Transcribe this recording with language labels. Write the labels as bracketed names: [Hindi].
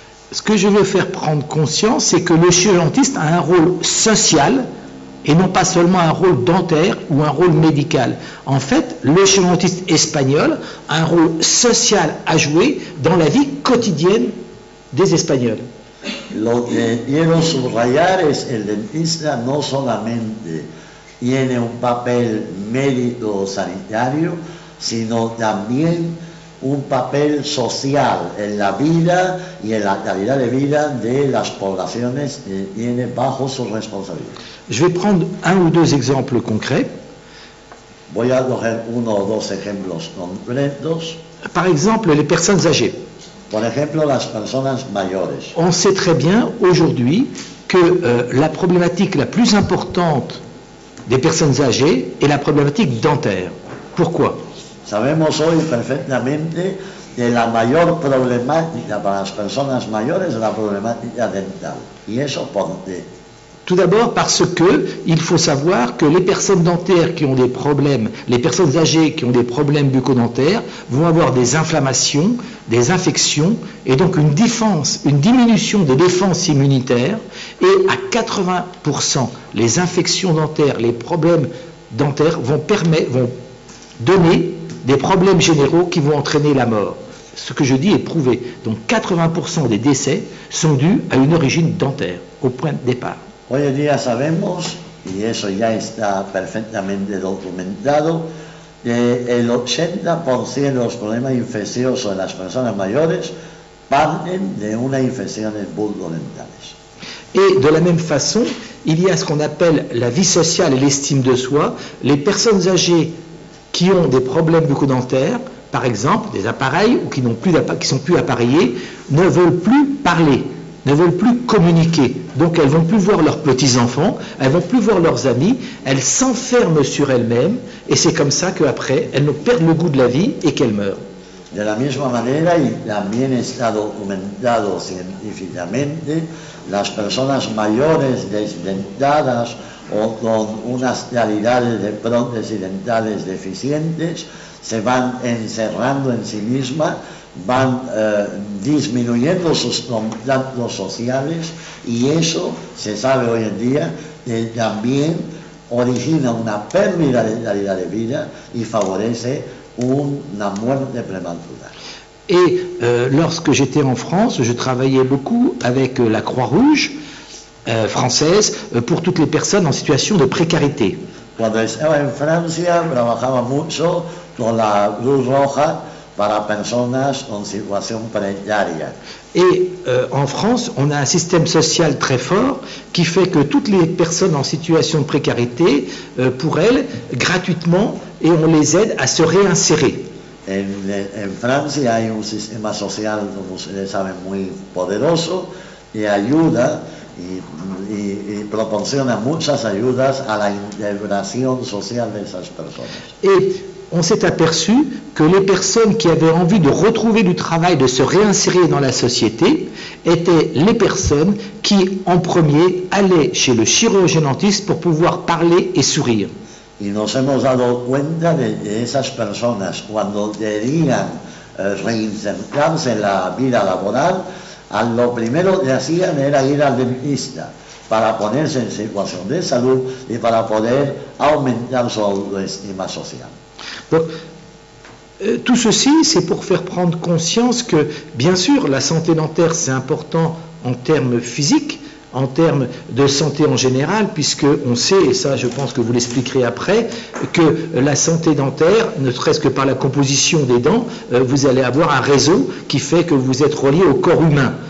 [French] Ce que je veux faire prendre conscience, c'est que le chirurgien-dentiste a un rôle social et non pas seulement un rôle dentaire ou un rôle médical. En fait, le chirurgien-dentiste espagnol a un rôle social à jouer dans la vie quotidienne des Espagnols. [Spanish] Lo que quiero subrayar es que el dentista no solamente tiene un papel médico sanitario, sino también un papel social en la vida y en la calidad de vida de las poblaciones que tiene bajo su responsabilidad. [French] Je vais prendre un ou deux exemples concrets. [Spanish] Voy a coger uno o dos ejemplos concretos. [French] Par exemple, les personnes âgées. [Spanish] Por ejemplo, las personas mayores. [French] On sait très bien aujourd'hui que la problématique la plus importante des personnes âgées est la problématique dentaire. Pourquoi? [Spanish] Sabemos hoy perfectamente que la mayor problemática para las personas mayores es la problemática dental. ¿Y eso por qué? [French] Tout d'abord parce que il faut savoir que les personnes dentaires qui ont des problèmes, les personnes âgées qui ont des problèmes bucco-dentaires vont avoir des inflammations, des infections et donc une diminution des défenses immunitaires et à 80% les infections dentaires, les problèmes dentaires vont donner des problèmes généraux qui vont entraîner la mort. Ce que je dis est prouvé. Donc 80% des décès sont dus à une origine dentaire, au point de départ. [Spanish] Hoy en día sabemos, y eso ya está perfectamente documentado, que el 80% de los problemas infecciosos en las personas mayores parlen de unas infecciones bucodentales. [French] Et de la même façon, il y a ce qu'on appelle la vie sociale et l'estime de soi. Les personnes âgées qui ont des problèmes bucodentaires, par exemple, des appareils ou qui sont plus appareillés, ne veulent plus parler, ne veulent plus communiquer. Donc elles ne vont plus voir leurs petits-enfants, elles ne vont plus voir leurs amis, elles s'enferment sur elles-mêmes, et c'est comme ça qu'après, elles perdent le goût de la vie et qu'elles meurent. [Spanish] De la misma manera, y también está documentado científicamente, las personas mayores desdentadas o con unas calidades de prótesis dentales deficientes se van encerrando en sí mismas, van disminuyendo sus contactos sociales, y eso se sabe hoy en día que también origina una pérdida de calidad de vida y favorece una muerte prematura. [French] Et lorsque j'étais en France, je travaillais beaucoup avec la Croix-Rouge française pour toutes les personnes en situation de précarité. [Spanish] Cuando estaba en Francia, trabajaba mucho con la Cruz Roja para personas en situación precaria. [French] Et en France, on a un système social très fort qui fait que toutes les personnes en situation de précarité, pour elles, gratuitement, et on les aide à se réinsérer. [Spanish] En Francia hay un sistema social, como ustedes saben, muy poderoso y ayuda y proporciona muchas ayudas a la integración social de esas personas. [French] Et on s'est aperçu que les personnes qui avaient envie de retrouver du travail, de se réinsérer dans la société, étaient les personnes qui, en premier, allaient chez le chirurgien-dentiste pour pouvoir parler et sourire. [Spanish] Y nos hemos dado cuenta de que esas personas, cuando querían reinsertarse en la vida laboral, lo primero que hacían era ir al dentista para ponerse en situación de salud y para poder aumentar su autoestima social. [French] Donc, tout ceci, c'est pour faire prendre conscience que, bien sûr, la santé dentaire, c'est important en termes physiques, en termes de santé en général, puisque on sait, et ça je pense que vous l'expliquerez après, que la santé dentaire, ne serait-ce que par la composition des dents, vous allez avoir un réseau qui fait que vous êtes relié au corps humain.